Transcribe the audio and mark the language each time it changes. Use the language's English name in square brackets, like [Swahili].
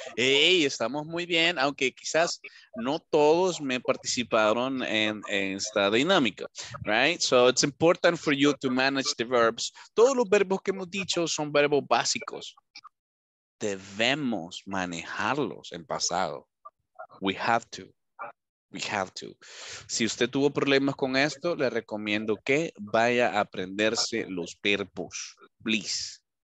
[Spanish] Hey, estamos muy bien, aunque quizás no todos me participaron en esta dinámica, right? [English] So it's important for you to manage the verbs. [Spanish] Todos los verbos que hemos dicho son verbos básicos. Debemos manejarlos en pasado. [English] We have to. [Spanish] Si usted tuvo problemas con esto, le recomiendo que vaya a aprenderse los verbos, please.